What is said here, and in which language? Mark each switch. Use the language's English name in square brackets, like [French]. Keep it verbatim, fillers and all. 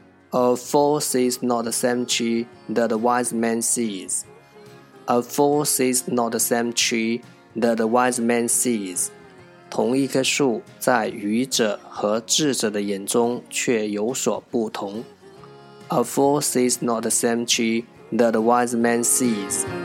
[English] A fool sees not the same tree that the wise man sees. A fool sees not the same tree that the wise man sees. [Chinese] 同一棵树在愚者和智者的眼中却有所不同。 [English] A fool sees not the same tree that the wise man sees.